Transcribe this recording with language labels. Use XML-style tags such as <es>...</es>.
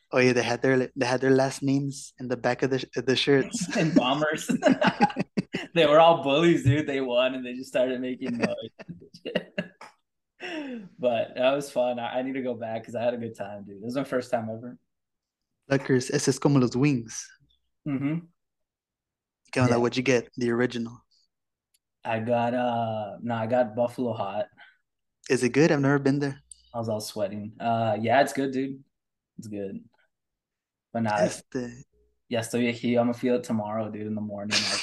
<en>Oh yeah, they had their last names in the back of the shirts. and bombers. They were all bullies, dude. They won and they just started making noise. But that was fun. I need to go back because I had a good time, dude. It was my first time ever.</en> <es>Luckers, ese es como los wings. ¿Qué onda?</es> <en>Yeah. What'd you get? The original. I got no, I got Buffalo Hot. Is it good? I've never been there. I was all sweating. Yeah, it's good, dude. It's good. But now nah, yeah, still yeah, I'm gonna feel it tomorrow, dude, in the morning.</en>